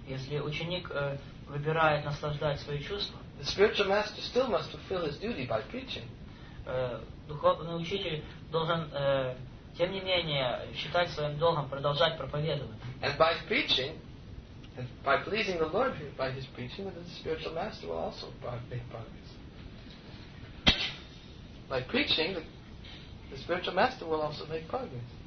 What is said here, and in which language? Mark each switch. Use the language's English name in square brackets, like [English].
[Russian] если ученик выбирает наслаждать свои чувства, [English] the spiritual master still must fulfill his duty by preaching. [Russian] Духовный учитель должен, тем не менее, считать своим долгом продолжать проповедовать. [English] And by preaching, and by pleasing the Lord by his preaching, the spiritual master will also make progress. By preaching, the spiritual master will also make progress.